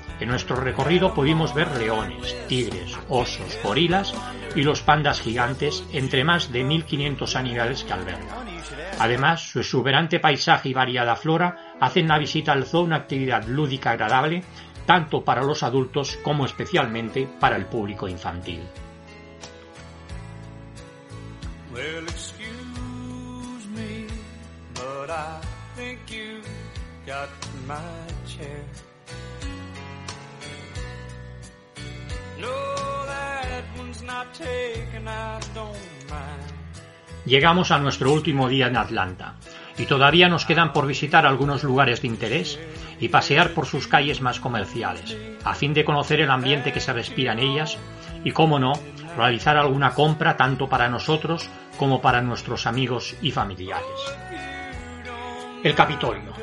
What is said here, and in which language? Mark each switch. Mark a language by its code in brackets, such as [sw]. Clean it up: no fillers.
[es] En nuestro recorrido pudimos ver leones, tigres, osos, gorilas y los pandas gigantes, entre más de 1.500 animales que alberga. Además, su exuberante paisaje y variada flora hacen la visita al zoo una actividad lúdica agradable, tanto para los adultos como especialmente para el público infantil. [en] Well, excuse me, but I think you've got my chair. No, that one's not taken, I don't mind. [es] Llegamos a nuestro último día en Atlanta, y todavía nos quedan por visitar algunos lugares de interés y pasear por sus calles más comerciales, a fin de conocer el ambiente que se respira en ellas y, cómo no, realizar alguna compra tanto para nosotros como para nuestros amigos y familiares. El Capitolio.